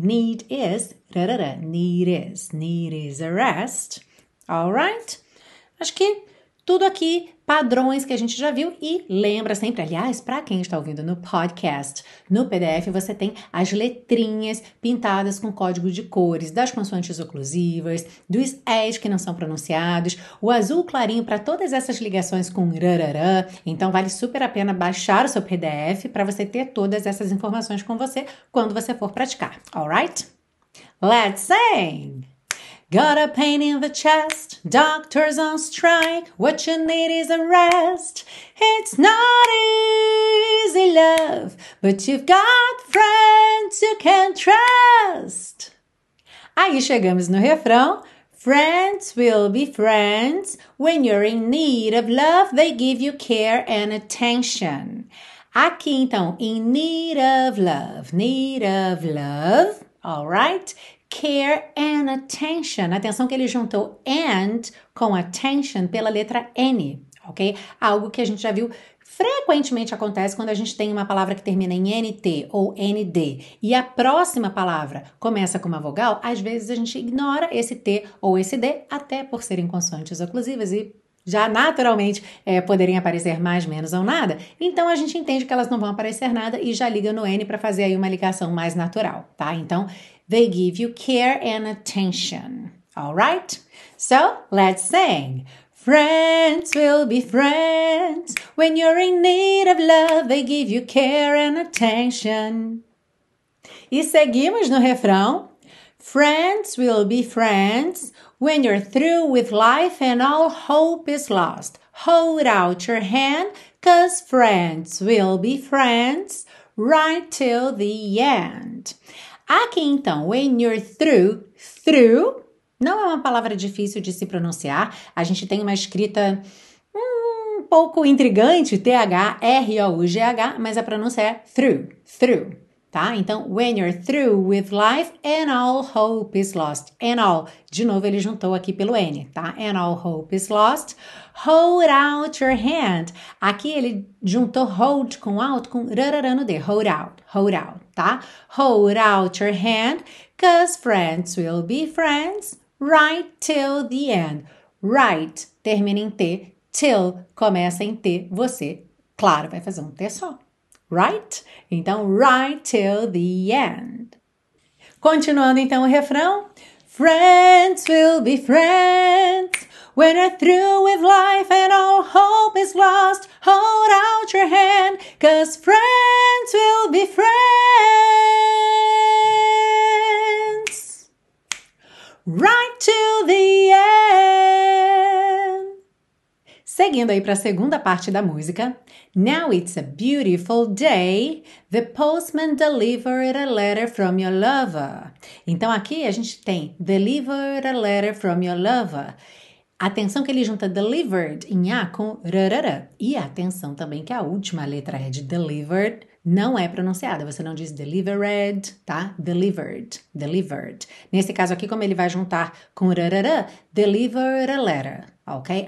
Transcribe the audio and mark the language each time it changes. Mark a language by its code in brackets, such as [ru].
[en] Need is, rarará, need is a rest. Alright? [pt] Acho que tudo aqui, padrões que a gente já viu e lembra sempre, aliás, para quem está ouvindo no podcast, no PDF você tem as letrinhas pintadas com código de cores das consoantes oclusivas, dos es que não são pronunciados, o azul clarinho para todas essas ligações com rarará, então vale super a pena baixar o seu PDF para você ter todas essas informações com você quando você for praticar, alright? [en] Let's sing! Got a pain in the chest, doctor's on strike, what you need is a rest. It's not easy, love, but you've got friends you can trust. [pt] Aí chegamos no refrão. [en] Friends will be friends. When you're in need of love, they give you care and attention. [pt] Aqui então, [en] in need of love, all right? Care and attention. [pt] Atenção que ele juntou and com attention pela letra N, ok? Algo que a gente já viu frequentemente acontece quando a gente tem uma palavra que termina em NT ou ND e a próxima palavra começa com uma vogal, às vezes a gente ignora esse T ou esse D, até por serem consoantes oclusivas e já naturalmente poderem aparecer mais, menos ou nada. Então, a gente entende que elas não vão aparecer nada e já liga no N para fazer aí uma ligação mais natural, tá? Então, [en] they give you care and attention, all right? So, let's sing. Friends will be friends. When you're in need of love, they give you care and attention. [pt] E seguimos no refrão. [en] Friends will be friends when you're through with life and all hope is lost. Hold out your hand, 'cause friends will be friends right till the end. [pt] Aqui então, [en] when you're through, through, [pt] não é uma palavra difícil de se pronunciar. A gente tem uma escrita um pouco intrigante, T-H-R-O-U-G-H, mas a pronúncia é through, through. Tá? Então, [en] when you're through with life and all hope is lost. And all. [pt] De novo, ele juntou aqui pelo N, tá? [en] And all hope is lost. [pt] Hold out your hand. Aqui ele juntou hold com out com rarará no D. [en] Hold out, tá? Hold out your hand, 'cause friends will be friends right till the end. [pt] Right, termina em T. Till, começa em T. Você, claro, vai fazer um T só. Right? Então, [en] right till the end. [pt] Continuando então o refrão. [en] Friends will be friends when you're through with life and all hope is lost. Hold out your hand, 'cause friends will be friends right till the end. [pt] Seguindo aí para a segunda parte da música. [en] Now it's a beautiful day, the postman delivered a letter from your lover. [pt] Então aqui a gente tem delivered a letter from your lover. Atenção que ele junta delivered em A com rarará. E atenção também que a última letra é de delivered, não é pronunciada. Você não diz delivered, tá? Delivered, delivered. Nesse caso aqui, como ele vai juntar com rarará, delivered a letter, ok?